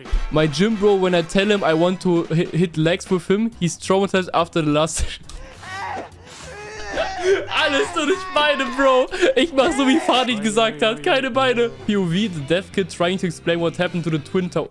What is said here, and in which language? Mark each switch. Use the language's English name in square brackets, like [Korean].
[English] My gym bro, when I tell him I want to hit legs with him, he's traumatized after the last. [German] Alles nur nicht Beine, Bro. Ich mach so wie Fadid gesagt hat, keine Beine. [English] POV, the deaf kid trying to explain what happened to the twin tower.